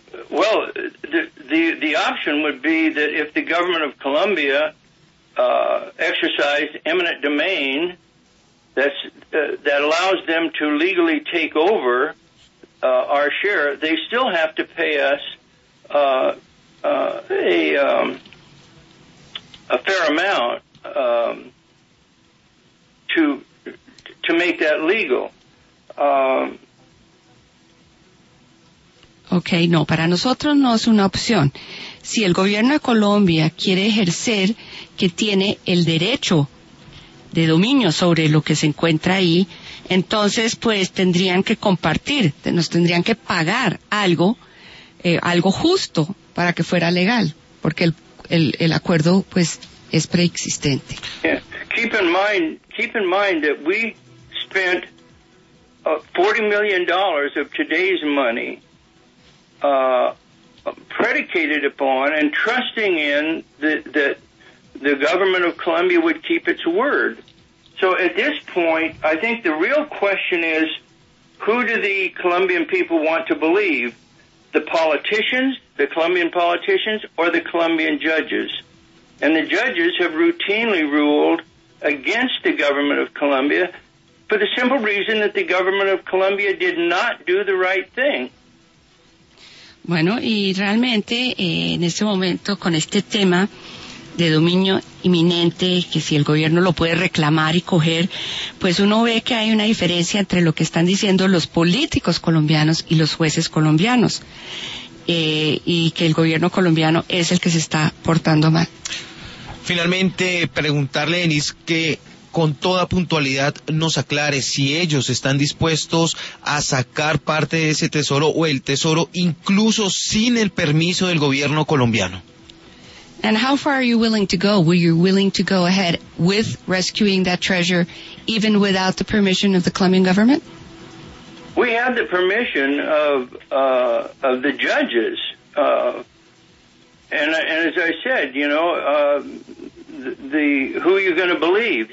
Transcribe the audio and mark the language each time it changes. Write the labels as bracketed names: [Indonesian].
[English] Well, the option would be that if the government of Colombia exercised eminent domain, that allows them to legally take over our share, they still have to pay us a fair amount to make that legal. [Spanish] Okay, no, para nosotros no es una opción. si el gobierno de Colombia quiere ejercer que tiene el derecho de dominio sobre lo que se encuentra ahí, entonces pues tendrían que compartir, nos tendrían que pagar algo, algo justo para que fuera legal, porque el acuerdo pues es preexistente. [English] Keep in mind that we spent $40 million of today's money predicated upon and trusting in that the government of Colombia would keep its word. So at this point, I think the real question is, who do the Colombian people want to believe? The politicians, the Colombian politicians, or the Colombian judges? And the judges have routinely ruled against the government of Colombia for the simple reason that the government of Colombia did not do the right thing. [Spanish] Bueno, y realmente en este momento con este tema de dominio inminente, que si el gobierno lo puede reclamar y coger, pues uno ve que hay una diferencia entre lo que están diciendo los políticos colombianos y los jueces colombianos, y que el gobierno colombiano es el que se está portando mal. Finalmente, preguntarle, Denis, que con toda puntualidad nos aclare si ellos están dispuestos a sacar parte de ese tesoro o el tesoro incluso sin el permiso del gobierno colombiano. [English] And how far are you willing to go? Were you willing to go ahead with rescuing that treasure even without the permission of the Colombian government? We have the permission of the judges. And as I said, you know, who are you going to believe?